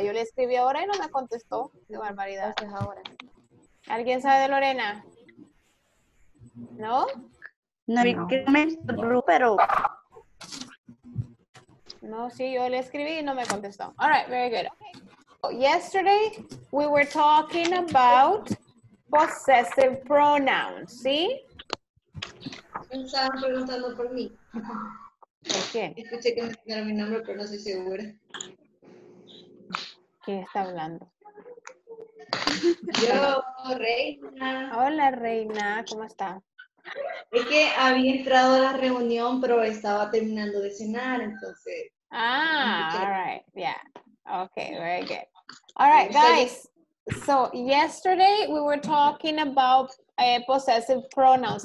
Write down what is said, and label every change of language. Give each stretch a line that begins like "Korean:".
Spanish: Yo le escribí ahora y no me contestó. Qué barbaridad. Hasta ahora. ¿Alguien sabe de Lorena? ¿No? No, pero No, sí, yo le escribí y no me contestó.
English: All right, very good. Okay. Yesterday we were talking about possessive pronouns, ¿sí?
Spanish: Estaban preguntando por mí. ¿Por qué? Escuché que mencionaron mi nombre, pero no estoy segura. ¿Quién está hablando? Yo, Reina. Hola, Reina, ¿cómo está? Es que había entrado a la reunión, pero estaba terminando de cenar, entonces.
English: Ah, all right, yeah. Okay, very good. All right, guys. So, yesterday we were talking about possessive pronouns.